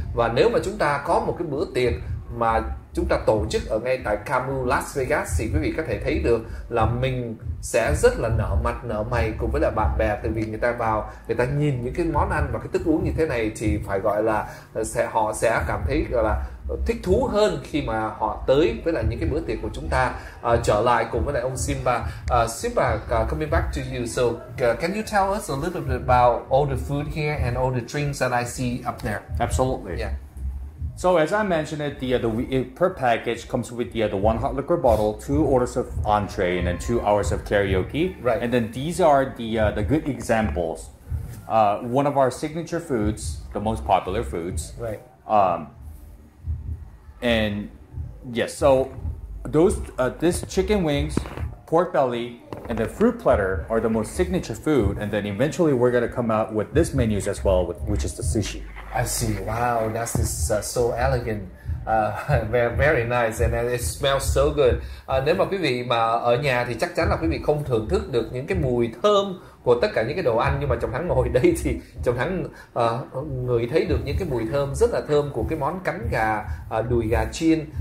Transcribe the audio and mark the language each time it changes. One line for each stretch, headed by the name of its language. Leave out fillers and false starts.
Vietnamese: Và nếu mà chúng ta có một cái bữa tiệc mà chúng ta tổ chức ở ngay tại Camu Las Vegas thì quý vị có thể thấy được là mình sẽ rất là nở mặt nở mày cùng với lại bạn bè, tại vì người ta vào người ta nhìn những cái món ăn và cái thức uống như thế này thì phải gọi là họ sẽ cảm thấy gọi là thích thú hơn khi mà họ tới với lại những cái bữa tiệc của chúng ta. Trở lại cùng với lại ông Simba.
English: Simba, coming back to you, so can you tell us a little bit about all the food here and all the drinks that I see up there? Absolutely. Yeah. So as I mentioned it, per package comes with the one hot liquor bottle, two orders of entree, and then 2 hours of karaoke. Right. And then these are the good examples. One of our signature foods, the most popular foods. Right. And yes, so those this chicken wings, pork belly, and the fruit platter are the most signature food. And then eventually we're gonna come out with this menus as well, which is the sushi. I see. Wow, that is so elegant. Very, very nice, and it smells so good.
Vietnamese: Nếu mà quý vị mà ở nhà thì chắc chắn là quý vị không thưởng thức được những cái mùi thơm của tất cả những cái đồ ăn, nhưng mà Trọng Thắng ngồi đây thì Trọng Thắng ngửi thấy được những cái mùi thơm rất là thơm của cái món cánh gà, đùi gà chiên.